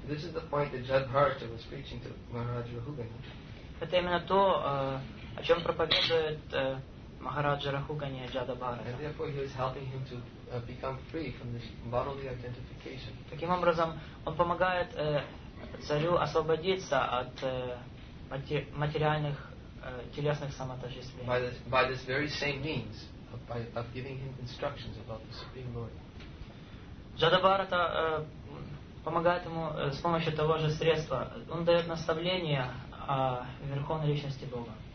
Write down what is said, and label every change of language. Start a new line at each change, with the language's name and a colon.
English: This is the point that Jadbharata was preaching to Maharaj Rahugani.
Russian: Это именно то, о чем проповедует Махараджа Рахугани Джадабхарата.
English: And therefore he was helping him to become free from this bodily identification.
Russian: Таким образом, он помогает царю освободиться от материальных телесных самоотождествлений.
English: By this very same means, of giving him instructions about the Supreme Lord.
Russian: Джадабхарата помогает ему с помощью того же средства. Он дает наставления о Верховной Личности Бога.